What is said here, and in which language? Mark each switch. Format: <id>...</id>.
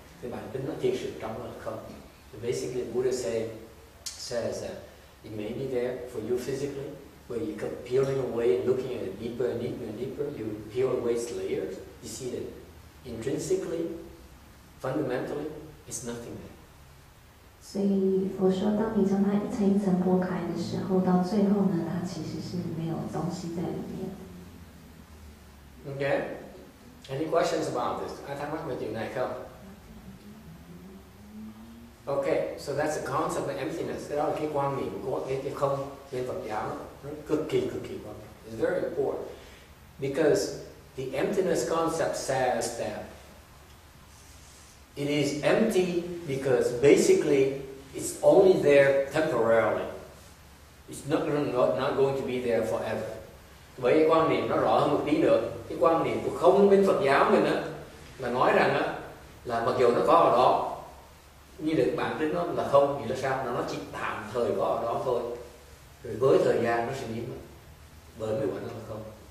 <vi>Thì bản tính nó thiệt sự trong là không.</vi> <en>Basically, Buddha says that it may be there for you physically. When you keep peeling away and looking at it deeper and deeper and deeper, you peel away its layers, you see that intrinsically, fundamentally, It's nothing there.</en> <zh>所以我说，当你将它一层一层剥开的时候，到最后呢，它其实是没有东西在里面。</zh> <en>Okay. Any questions about this? I talk with you next. Okay. So that's the concept of emptiness. That all keep on being go get the come get up down. Cookie. It's very important because the emptiness concept says that it is empty because basically it's only there temporarily. It's not going to be there forever.</en> <vi>Với cái quan niệm nó rõ hơn một tí nữa, cái quan niệm của không bên Phật giáo mình á là nói rằng á là mặc dù nó có ở đó, như được bản tính nó là không thì là sao, nó chỉ tạm thời có ở đó thôi, rồi với thời gian nó sẽ biến mất, bởi vì vậy nó là không.</vi>